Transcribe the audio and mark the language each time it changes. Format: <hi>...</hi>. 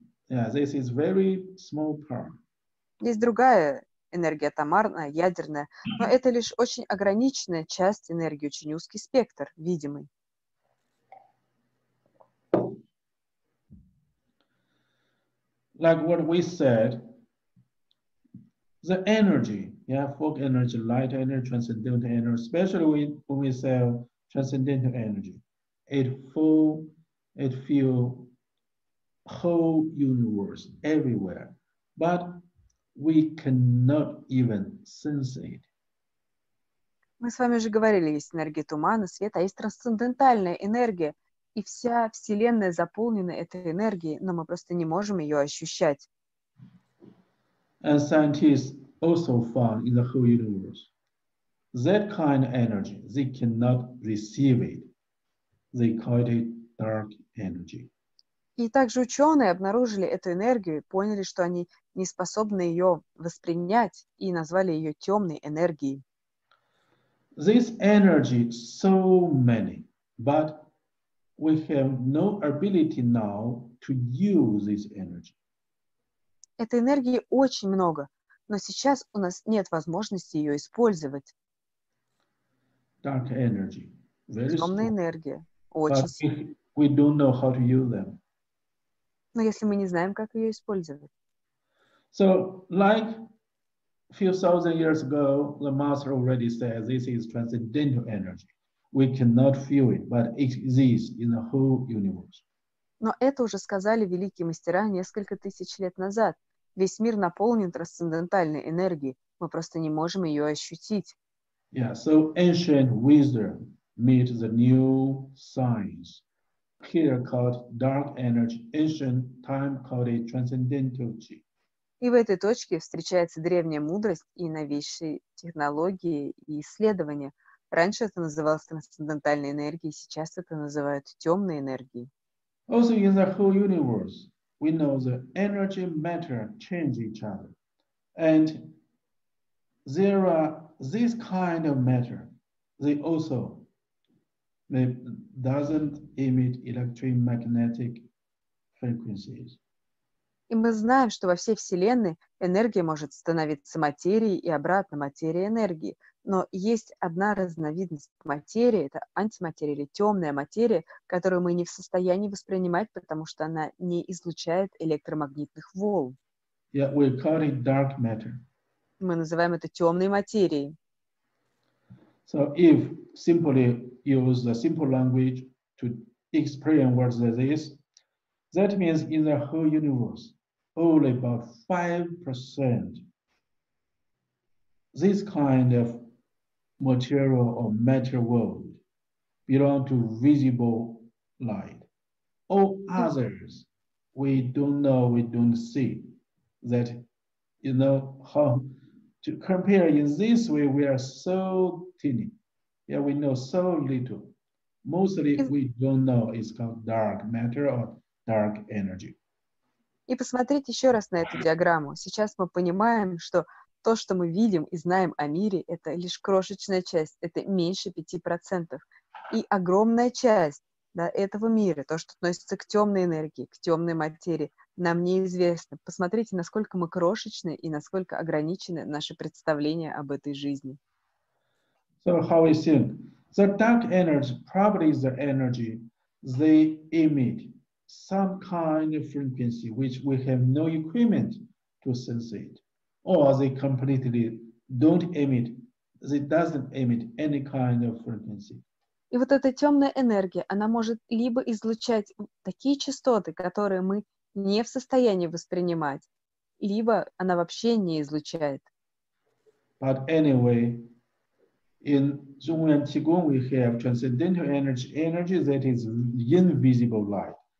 <en>Yeah, this is very small part.</en> <ru>Есть другая энергия, атомарная, ядерная, но это лишь очень ограниченная часть энергии, очень узкий спектр, видимый.</ru> <en>Like what we said, the energy, yeah, folk energy, light energy, transcendental energy, especially when we say transcendental energy, it feels whole universe everywhere, but we cannot even sense it.</en> <ru>Мы с вами уже говорили, есть энергия тумана, света, а есть трансцендентальная энергия, и вся Вселенная заполнена этой энергией, но мы просто не можем ее ощущать.</ru> <en>And scientists also found in the whole universe that kind of energy, they cannot receive it. They call it dark energy.</en> <ru>И также ученые обнаружили эту энергию, поняли, что они не способны ее воспринять и назвали ее темной энергией.</ru> <en>This energy so many, but we have no ability now to use this energy.</en> <ru>Этой энергии очень много, но сейчас у нас нет возможности ее использовать.</ru> <en>Dark energy.</en> <ru>Темная энергия. Очень сильная.</ru> <en>We don't know how to use them.</en> <ru>Но если мы не знаем, как ее использовать.</ru> <en>So, like a few thousand years ago, the master already said this is transcendental energy. We cannot feel it, but it exists in the whole universe.</en> <ru>Но это уже сказали великие мастера несколько тысяч лет назад. Весь мир наполнен трансцендентальной энергией. Мы просто не можем ее ощутить.</ru> <en>Yeah, so ancient wisdom meet the new science. Here called dark energy, ancient time called it transcendental chi.</en> <ru>И в этой точке встречается древняя мудрость и новейшие технологии и исследования. Раньше это называлось трансцендентальной энергией, сейчас это называют темной энергией.</ru> <en>Also in the whole universe, we know the energy matter change each other. And there are this kind of matter, they also they doesn't emit electromagnetic frequencies.</en> <ru>И мы знаем, что во всей Вселенной энергия может становиться материей и обратно материей энергии. Но есть одна разновидность материи, это антиматерия или темная материя, которую мы не в состоянии воспринимать, потому что она не излучает электромагнитных волн.</ru> <en>Yeah, we call it dark matter.</en> <ru>Мы называем это темной материей.</ru> <en>So if simply use the simple language to explain what this is, that means in the whole universe, only about 5% this kind of material or matter world belong to visible light. All others, we don't know, we don't see. That, you know, how to compare in this way, we are so tiny. Yeah, we know so little. Mostly we don't know it's called dark matter or dark energy.</en> <ru>И посмотрите еще раз на эту диаграмму. Сейчас мы понимаем, что то, что мы видим и знаем о мире, это лишь крошечная часть, это меньше 5%. И огромная часть, да, этого мира, то, что относится к темной энергии, к темной материи, нам неизвестно. Посмотрите, насколько мы крошечны и насколько ограничены наши представления об этой жизни.</ru> <en>So how we think? The dark energy probably is the energy they emit. Some kind of frequency which we have no equipment to sense it, or they completely don't emit, they doesn't emit any kind of frequency.</en> <ru>И вот эта темная энергия, она может либо излучать такие частоты, которые мы не в состоянии воспринимать, либо она вообще не излучает.</ru> <en>But anyway, in Zhongyuan Qigong we have transcendental energy, energy that is invisible light.</en>